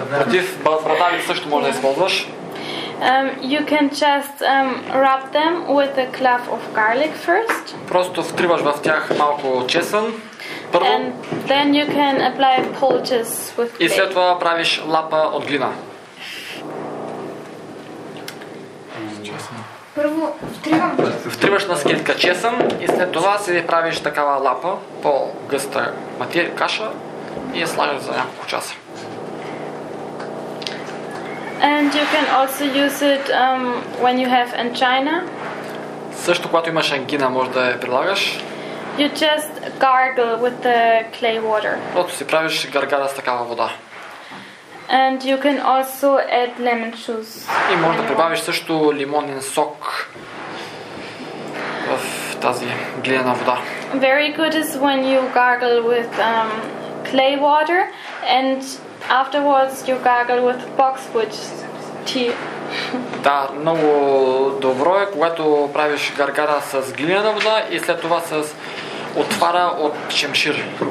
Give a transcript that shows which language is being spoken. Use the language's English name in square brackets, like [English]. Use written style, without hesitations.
[Bulgarian] Против брадави също може да използваш. [English] You can just rub them with a clove of garlic first. [Bulgarian] Просто втриваш в тях малко чесън. Първо. [English] And then you can apply poultice with clay. [Bulgarian] И след това правиш лапа от глина. Първо втриваш на скелетка чесън и след това си правиш такава лапа, по-гъста материя, каша и я слагаш за няколко часа. [English] And you can also use it when you have angina. [Bulgarian] Също когато имаш ангина, може да я прилагаш. [English] You just gargle with the clay water. [Bulgarian] Просто си правиш гаргара с такава вода. [English] And you can also add lemon juice. [Bulgarian] И може да прибавиш също лимонен сок в тази глинена вода. [English] Very good is when you gargle with clay water and afterwards you gargle with boxwood tea. [Bulgarian] Да, много добро е, когато правиш гаргара с глинена вода и след това с отвара от шемшир.